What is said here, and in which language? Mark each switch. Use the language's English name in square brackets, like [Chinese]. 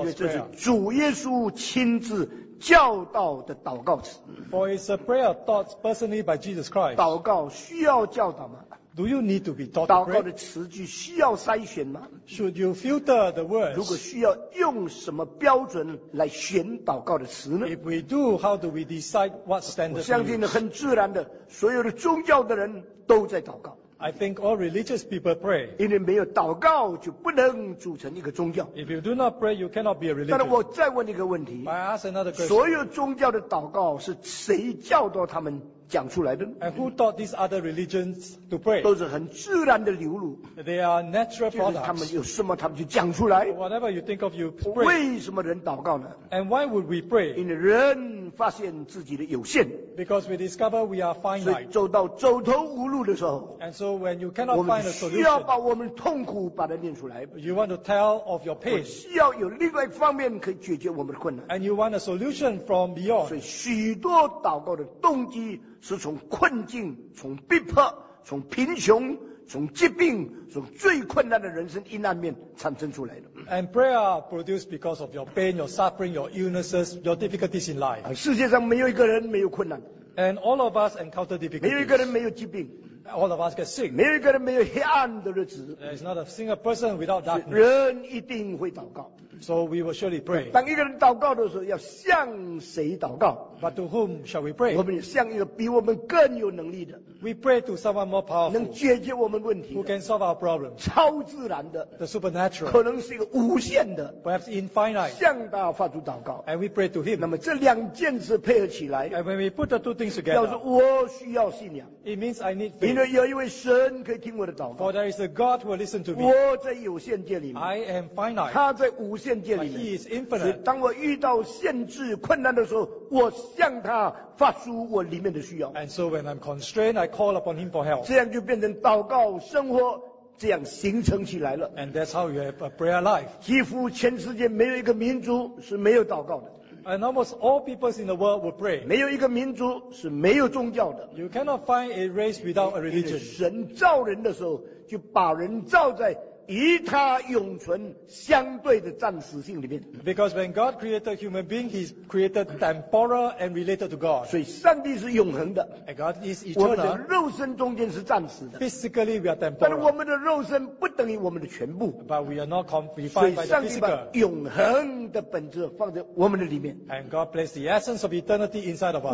[Chinese] 因为这是主耶稣亲自教导的祷告词。 [English] For it's a prayer taught personally by Jesus Christ. [Chinese] 祷告需要教导吗 [English] ？Do you need to be taught? [Chinese] 祷告的词句需要筛选吗 [English] ？Should you filter the words? [Chinese] 如果需要用什么标准来选祷告的词呢 [English] ？If we do, how do we decide what standard? [Chinese] 我相信很自然的。所有的宗教的人都在祷告。 [English] I think all religious people pray. [Chinese] 因为没有祷告就不能组成一个宗教。 [English] If you do not pray, you cannot be a religion. [Chinese] 但是我再问一个问题。 [English] I ask another question. [Chinese] 所有宗教的祷告是谁教导他们讲出来的 [English] ？And who taught these other religions to pray? [Chinese] 都是很自然的流露。 [English] They are natural products. [Chinese] 就是他们有什么他们就讲出来。 [English] Whatever you think of, you pray. [Chinese] 为什么人祷告呢 [English] ？And why would we pray? [Chinese] 因为人发现自己的有限。 [English] Because we discover we are finite. [Chinese] 所以走到走投无路的时候 [English] ，And so when you cannot find a solution, [Chinese] 我们需要把我们痛苦把它念出来。 [English] You want to tell of your pain. [Chinese] 需要有另外一方面可以解决我们的困难。 [English] And you want a solution from beyond. [Chinese] 所以许多祷告的动机。是从困境、从逼迫、从贫穷、从疾病、从最困难的人生阴暗面产生出来的。 [English] And prayer produced because of your pain, your suffering, your illnesses, your difficulties in life. [Chinese] 世界上没有一个人没有困难。 [English] And all of us encounter difficulties. [Chinese] 没有一个人没有疾病。 [English] All of us get sick. [Chinese] 没有一个人没有黑暗的日子。 [English] There's not a single person without darkness. [Chinese] 人一定会祷告。 [English] So we will surely pray. [Chinese] 当一个人祷告的时候，要向谁祷告 [English] ？But to whom shall we pray? [Chinese] 我们向一个比我们更有能力的。 [English] We pray to someone more powerful. [Chinese] 能解决我们问题。 [English] Who can solve our problems? [Chinese] 超自然的。 [English] The supernatural. [Chinese] 可能是一个无限的。 [English] Perhaps infinite. [Chinese] 向他发出祷告。 [English] And we pray to him. [Chinese] 那么这两件事配合起来。 [English] And when we put the two things together. [Chinese] 表示我需要信仰。 [English] It means I need faith. [Chinese] 因为有一位神可以听我的祷告。 [English] For there is a God who will listen to me. [Chinese] 我在有限界里面。 [English] I am finite. [Chinese] 他在无限。 [English] He is infinite. [Chinese] 所以当我遇到限制困难的时候我向他发出我里面的需要 [English] And so when I'm constrained I call upon him for help [Chinese] 这样就变成祷告生活这样形成起来了 [English] And that's how you have a prayer life [Chinese] 几乎全世界没有一个民族是没有祷告的 [English] And almost all peoples in the world will pray [Chinese] 没有一个民族是没有宗教的 [English] You cannot find a race without a religion [Chinese] 神造人的时候就把人造在与他永存相对的暂时性里面 [English] Because when God created human being, He created temporal and related to God. [Chinese] 所以上帝是永恒的 [English] And God is eternal. [Chinese] 我们的肉身中间是暂时的 [English] Physically, we are temporal. [Chinese] 但我们的肉身不等于我们的全部 [English] But we are not confined by the physical. [Chinese] 所以上帝把永恒的本质放在我们的里面 [English] And God placed the essence of eternity inside of us.